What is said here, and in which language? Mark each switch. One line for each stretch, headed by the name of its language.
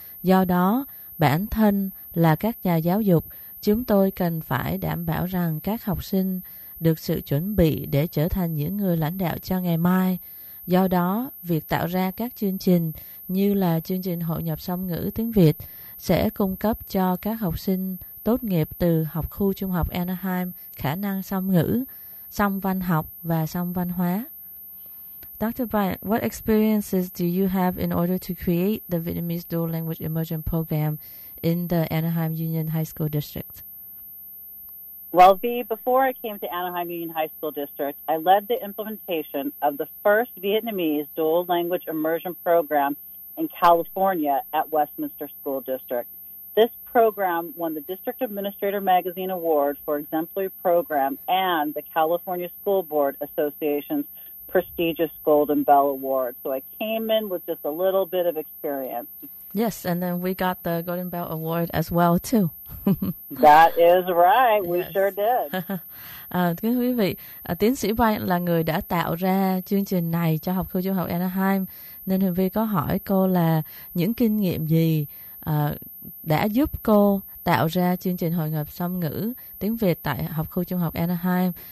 Vietnamese: Do đó, bản thân là các nhà giáo dục, chúng tôi cần phải đảm bảo rằng các học sinh được sự chuẩn bị để trở thành những người lãnh đạo cho ngày mai. Do đó, việc tạo ra các chương trình như là chương trình hội nhập song ngữ tiếng Việt sẽ cung cấp cho các học sinh tốt nghiệp từ học khu trung học Anaheim khả năng song ngữ, song văn học và song văn hóa.
English: Dr. Bryant, what experiences do you have in order to create the Vietnamese Dual Language Immersion Program in the Anaheim Union High School District? Well, V, before I came to Anaheim Union High School District, I led the implementation of the first Vietnamese Dual Language Immersion Program in California at Westminster School District. This program won the District Administrator Magazine Award for Exemplary Program and the California School Board Association's prestigious Golden Bell Award. So I came in with just a little bit of experience. Yes, and then we got the Golden Bell Award as well, too. That is right. We sure did.
Vietnamese: Thưa quý vị, Tiến sĩ Bryant là người đã tạo ra chương trình này cho học khu trung học Anaheim. Nên Huyền Vy có hỏi cô là những kinh nghiệm gì đã giúp cô tạo ra chương trình hội nhập song ngữ tiếng Việt tại học khu trung học Anaheim.